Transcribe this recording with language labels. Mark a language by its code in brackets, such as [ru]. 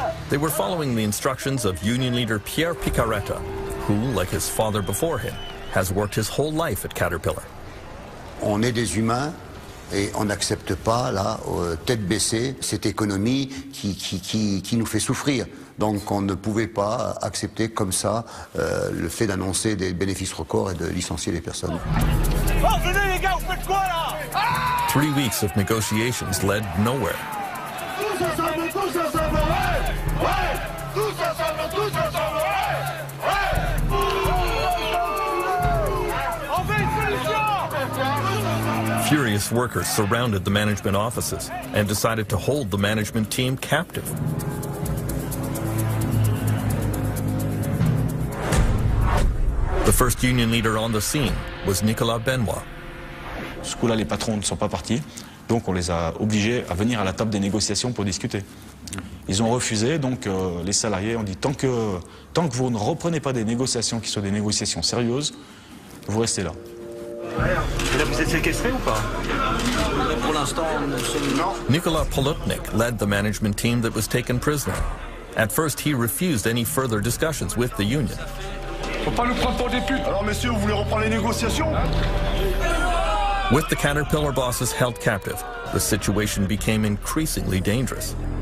[en] They were following the instructions of union leader Pierre Picaretta, who, like his father before him, has worked his whole life at Caterpillar. [fr] On est des humains, Et on n'accepte pas, là, tête baissée, cette économie qui nous fait souffrir. Donc on ne pouvait pas accepter comme ça le fait d'annoncer des bénéfices records et de licencier les personnes. [en] Three weeks of negotiations led nowhere. Furious workers surrounded the management offices and decided to hold the management team captive. The first union leader on the scene was Nicolas Benoit. [fr] Ce coup-là, les patrons ne sont pas partis, donc on les a obligés à venir à la table des négociations pour discuter. Ils ont refusé, donc les salariés ont dit tant que vous ne reprenez pas des négociations qui soient des négociations sérieuses, vous restez là. Et là, vous êtes séquestré ou pas? Pour l'instant, non. [en] Nicolas Polutnik led the management team that was taken prisoner. At first, he refused any further discussions with the union. [fr] Faut pas nous prendre pour des putes. Alors, messieurs, vous voulez reprendre les négociations? [en] With the Caterpillar bosses held captive, the situation became increasingly dangerous.